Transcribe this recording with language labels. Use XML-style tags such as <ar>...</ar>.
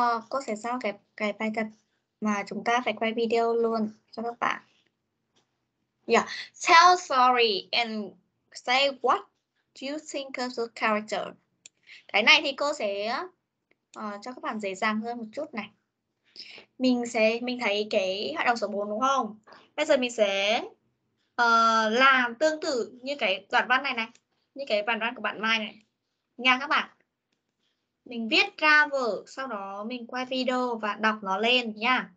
<vi>Có thể sao cái bài tập mà chúng ta phải quay video luôn cho các bạn.</vi> <en>Yeah, tell story and say what you think of the character.</en> <vi>Cái này thì cô sẽ cho các bạn dễ dàng hơn một chút này. Mình thấy cái hoạt động số 4 đúng không? Bây giờ mình sẽ làm tương tự như cái đoạn văn này này. Như cái đoạn văn của bạn Mai này. Nha các bạn. Mình viết ra vở, sau đó mình quay video và đọc nó lên nha.</vi>